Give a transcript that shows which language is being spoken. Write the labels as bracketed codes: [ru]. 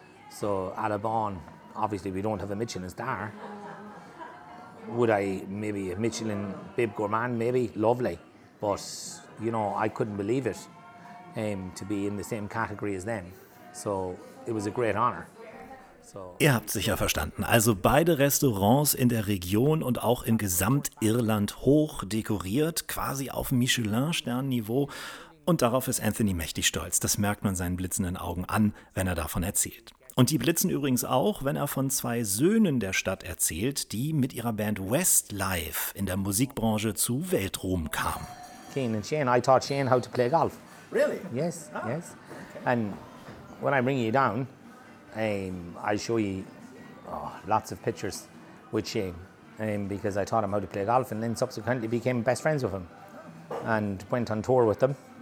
[en] So Alain Bon, obviously we don't have a Michelin star. Would I maybe a Michelin Bib Gourmand? Maybe, lovely. But, you know, I couldn't believe it to be in the same category as them. So it was a great honor. [de] Ihr habt sicher verstanden. Also beide Restaurants in der Region und auch in Gesamtirland hoch dekoriert, quasi auf Michelin-Stern-Niveau. Und darauf ist Anthony mächtig stolz. Das merkt man seinen blitzenden Augen an, wenn er davon erzählt. Und die blitzen übrigens auch, wenn er von zwei Söhnen der Stadt erzählt, die mit ihrer Band Westlife in der Musikbranche zu Weltruhm kamen. [en] Kane and Shane, I taught Shane how to play golf. Really? Yes, yes. And when I bring you down, I show you lots of pictures with Shane because I taught him how to play golf and then subsequently became best friends with him and went on tour with them.